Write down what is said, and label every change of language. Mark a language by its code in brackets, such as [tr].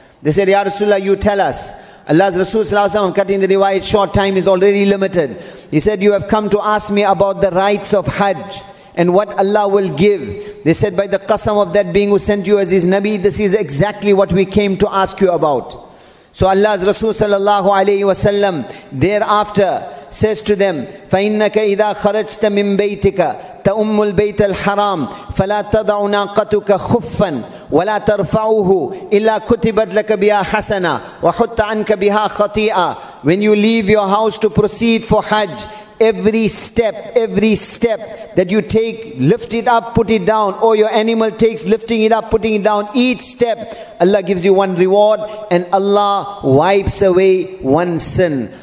[en] They said, Ya Rasulullah, you tell us. Allah's Rasul sallallahu alayhi wa sallam, cutting the riwayat short, time is already limited. He said, you have come to ask me about the rites of Hajj and what Allah will give. They said, by the qasam of that being who sent you as his Nabi, this is exactly what we came to ask you about. So Allah's Rasul sallallahu alayhi wa sallam thereafter says to them, [ar] فَإِنَّكَ إِذَا خَرَجْتَ مِنْ بَيْتِكَ تَأُمُّ الْبَيْتَ الْحَرَامِ فَلَا تَضَعُ نَاقَتُكَ خُفًّا وَلَا تَرْفَعُهُ إِلَّا كُتِبَتْ لَكَ بِهَا حَسَنًا وَحُطَّ عَنْكَ بِهَا خَطِيئًا. [en] When you leave your house to proceed for Hajj, every step that you take, lift it up, put it down. Or your animal takes, lifting it up, putting it down. Each step, Allah gives you one reward and Allah wipes away one sin.